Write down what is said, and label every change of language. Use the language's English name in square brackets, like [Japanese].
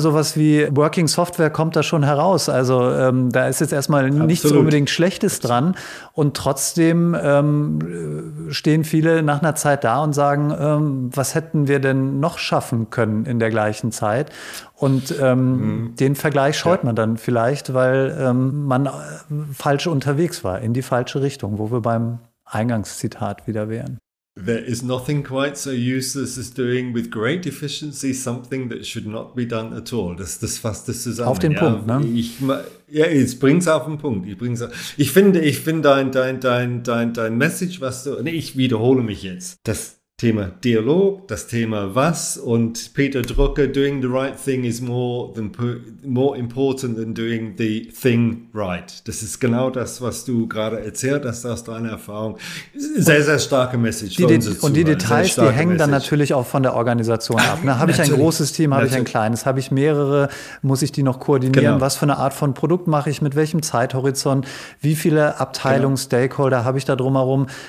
[German] Sowas wie Working Software kommt da schon heraus. Also da ist jetzt erstmal nichts unbedingt Schlechtes dran und trotzdem stehen viele nach einer Zeit da und sagen, was hätten wir denn noch schaffen können in der gleichen Zeit? Und den Vergleich scheut man dann vielleicht, weil man falsch unterwegs war, in die falsche Richtung, wo wir beim Eingangszitat wieder wären. [English] There is nothing quite so useless as doing with great efficiency something that should not be done at all. [German] Das fasst das zusammen. Auf den Punkt, ne? Jetzt bringt es auf den Punkt. Ich finde dein Message, was du... Nee, ich wiederhole mich jetzt. Das Thema Dialog, das Thema was und Peter Drucker, [English] doing the right thing is more important than doing the thing right. [German] Das ist genau das, was du gerade erzählt hast aus deiner Erfahrung. Sehr, sehr starke Message. Die Details hängen dann natürlich auch von der Organisation ab. Ne? Habe ich ein großes Team, habe ich ein kleines, habe ich mehrere, muss ich die noch koordinieren? Genau. Was für eine Art von Produkt mache ich, mit welchem Zeithorizont, wie viele Abteilungen, Stakeholder habe ich da drumherum?